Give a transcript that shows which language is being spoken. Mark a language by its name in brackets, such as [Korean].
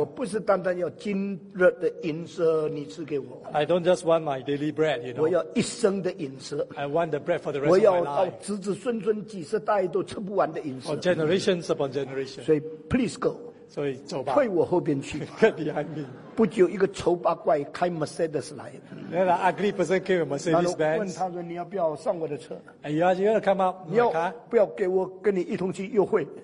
[Chinese] 我不是单单要今日的饮食你赐给我。 [English] I don't just want my daily bread, you know. [Chinese] 我要一生的饮食。 [English] I want the bread for the rest of my life. [Chinese] 我要子子孙孙。几十代都吃不完的饮食。 [English] Oh, generations upon generations. [Chinese] 所以 [English] ，please go. [Chinese] 所以走吧。退我后边去。 [English] Get behind me. [Chinese] 不久，一个丑八怪开 Mercedes 来。 [English] Then an ugly person came with Mercedes Benz. [Chinese] 问他说：“你要不要上我的车 [English] ？”And you want to come up? [Chinese] 你要不要给我跟你一同去约会